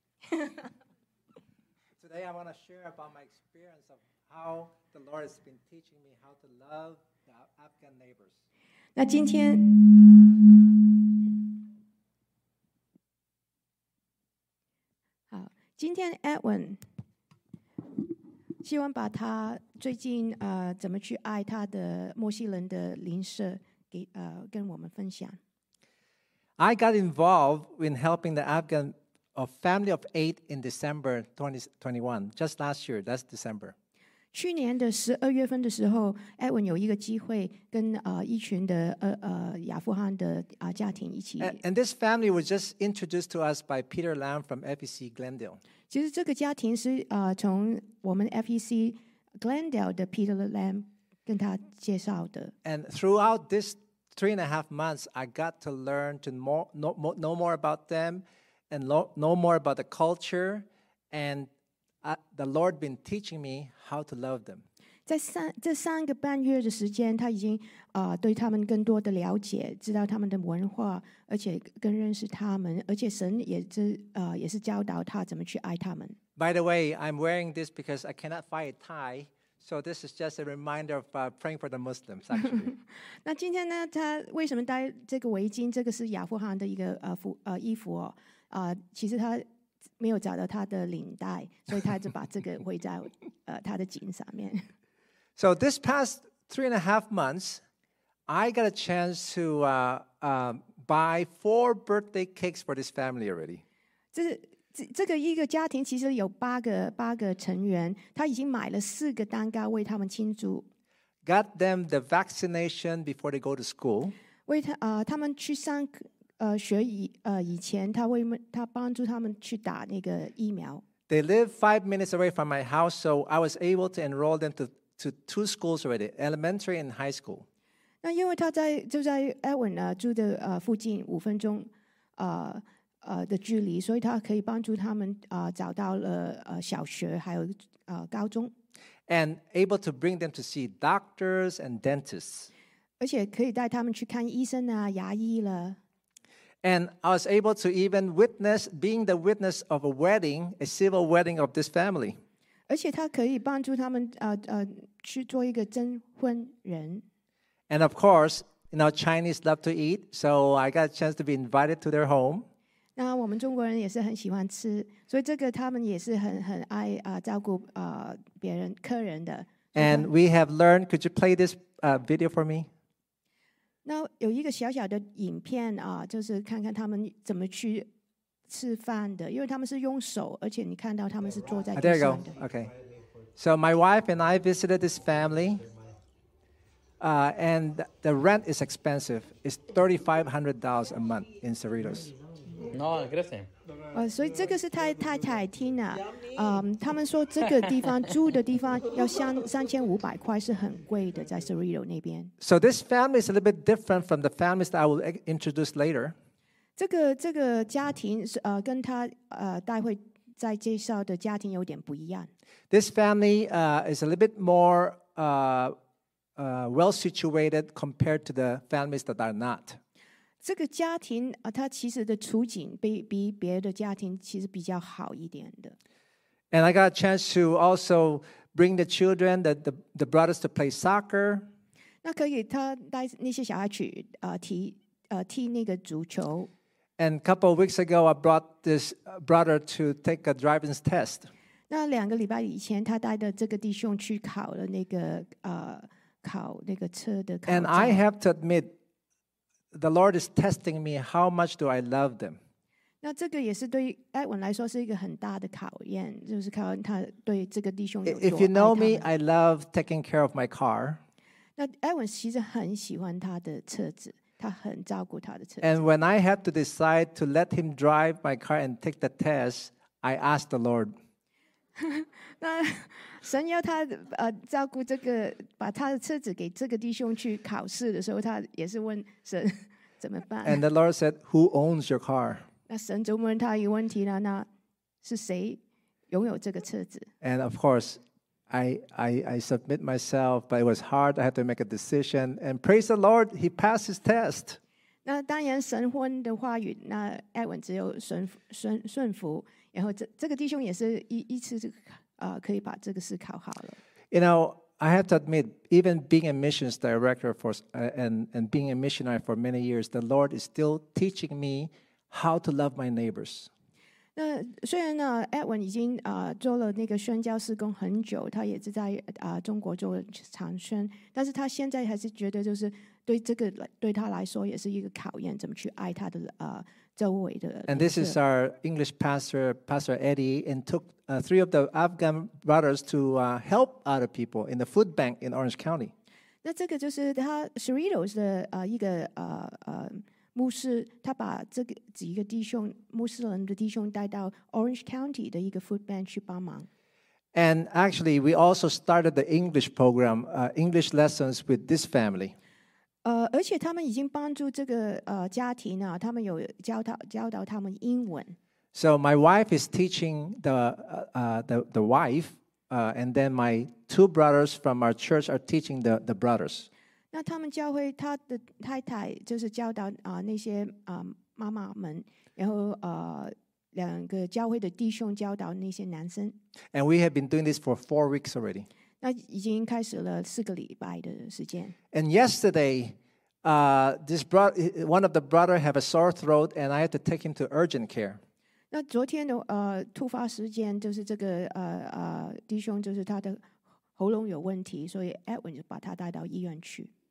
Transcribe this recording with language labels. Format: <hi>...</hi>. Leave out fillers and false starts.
<en>Today I want to share about my experience of how the Lord has been teaching me how to love the Afghan neighbors.</en> <zh>那今天Edwin 希望把他最近怎么去爱他的墨西人的邻舍给跟我们分享。</zh> <en>I got involved in helping the Afghan family of eight in December 2021, just last year, that's December.</en> <zh>去年的十二月份的时候 ，Edwin 有一个机会跟一群的亚富汗的家庭一起。</zh> <en>And this family was just introduced to us by Peter Lam from FEC Glendale.</en> <zh>其实这个家庭是从我们 FEC Glendale 的 Peter Lam 跟他介绍的。</zh> <en>And throughout this 3.5 months, I got to learn to know more about them, and know more about the culture, and the Lord been teaching me how to love them.</en> <zh>在这三个半月的时间，他已经对他们更多的了解，知道他们的文化，而且更认识他们，而且神也是教导他怎么去爱他们。</zh> <en>By the way, I'm wearing this because I cannot find a tie, so this is just a reminder of praying for the Muslims. Actually,</en> <zh>那今天呢，他为什么戴这个围巾？这个是亚富汗的一个衣服哦。其实他没有找到他的领带，所以他就把这个围在他的颈上面。</zh> <en>So this past 3.5 months, I got a chance to buy 4 birthday cakes for this family already.</en> <zh>这个一个家庭其实有八个成员，他已经买了四个蛋糕为他们庆祝。</zh> <en>Got them the vaccination before they go to school.</en> <zh>为他们去上学以前，他帮助他们去打那个疫苗。</zh> <en>They live 5 minutes away from my house, so I was able to enroll them to 2 schools already, elementary and high school.</en> <zh>那因为他在就在 Edwin 住的附近5分钟的距离，所以他可以帮助他们找到了小学还有高中。</zh> <en>And able to bring them to see doctors and dentists.</en> <zh>而且可以带他们去看医生啊牙医了。</zh> <en>And I was able to even witness being the witness of a wedding, a civil wedding of this family.</en> <zh>而且他可以帮助他们去做一个征婚人。</zh> <en>And of course, you know, Chinese love to eat, so I got a chance to be invited to their home.</en> <zh>那我们中国人也是很喜欢吃，所以这个他们也是很爱照顾别人客人的。</zh> <en>And we have learned. Could you play this video for me?</en> <zh>那有一个小小的影片就是看看他们怎么去吃饭的，因为他们是用手，而且你看到他们是坐在地上的。</zh> <en>There you go. Okay. So my wife and I visited this family. And the rent is expensive. It's $3,500 a month in Cerritos.</en> <es>No, gracias.</es> <zh>所以这个是太太 Tina， 他们说这个地方住的地方要3500块是很贵的，在 Cerrito 那边。</zh> <en>So this family is a little bit different from the families that I will introduce later.</en> <zh>这个家庭跟他待会再介绍的家庭有点不一样。</zh> <en>This family is a little bit more well situated compared to the families that are not.</en> <zh>这个家庭他其实的处境比别的家庭其实比较好一点的。</zh> <en>And I got a chance to also bring the children, the brothers to play soccer.</en> <zh>那可以他带那些小孩去踢那个足球。</zh> <en>And a couple of weeks ago, I brought this brother to take a driving test.</en> <zh>那两个礼拜以前他带的这个弟兄去考了那个考那个车的考证。</zh> <en>And I have to admit,The Lord is testing me. How much do I love them?</en> <zh>那这个也是对 Edwin 来说是一个很大的考验，就是考验他对这个弟兄有多爱他。</zh> <en>If you know me, I love taking care of my car.</en> <zh>那 Edwin 其实很喜欢他的车子，他很照顾他的车子。</zh> <en>And when I had to decide to let him drive my car and take the test, I asked the Lord.</en> <zh>那神要他照顾这个，把他的车子给这个弟兄去考试的时候，他也是问神怎么办。</zh> <en>And the Lord said, "Who owns your car?"</en> <zh>那神就问他一个问题了，那是谁拥有这个车子</zh> <en>？And of course, I submit myself, but it was hard. I had to make a decision. And praise the Lord, he passed his test.</en> <zh>那当然，神婚的话语，那艾文只有顺服。然后这个弟兄也是一次可以把这个事考好了。</zh> <en>You know, I have to admit, even being a missions director for and being a missionary for many years, the Lord is still teaching me how to love my neighbors.</en> <zh>那虽然呢 ，Edwin 已经做了那个宣教事工很久，他也是在中国做长宣，但是他现在还是觉得就是对这个对他来说也是一个考验，怎么去爱他的</zh> <en>And this is our English pastor, Pastor Eddie, and took three of the Afghan brothers to help other people in the food bank in Orange County.</en> <zh>那这个就是他 Cerritos 的一个牧师，他把这个几个弟兄穆斯林的弟兄带到 Orange County 的一个 food bank 去帮忙。</zh> <en>And actually, we also started the English program, English lessons with this family.</en> <zh>而且他们已经帮助这个家庭了，他们有教导他们英文。</zh> <en>So my wife is teaching the wife, and then my two brothers from our church are teaching the brothers.</en> <zh>那他们教会他的太太就是教导那些妈妈们，然后两个教会的弟兄教导那些男生。</zh> <en>And we have been doing this for 4 weeks already.</en> <zh>那已经开始了四个礼拜的时间。</zh> <en>And yesterday, one of the brother have a sore throat, and I had to take him to urgent care.</en> <zh>那昨天的突发事件就是这个弟兄就是他的喉咙有问题，所以 Edwin 就把他带到医院去。</zh>